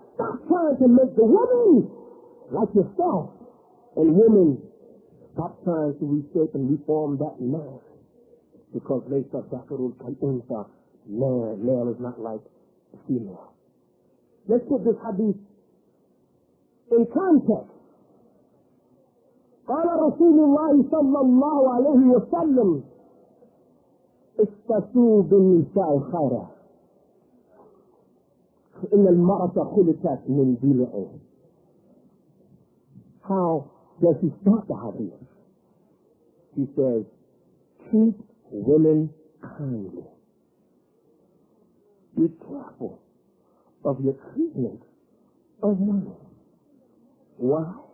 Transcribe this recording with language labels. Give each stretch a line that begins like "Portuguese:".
English: Stop trying to make the woman like yourself, and women, stop trying to reshape and reform that man, because laysa dhakarun kal-untha, male is not like female. Let's put this hadith in context.
Arabic: قال رسول الله صلى الله عليه وسلم استسوا بالنساء خيرا إن المرأة خلقت من ضلعه.
English: How does he start the hadith? He says, treat women kindly. Be careful of your treatment of women. Why?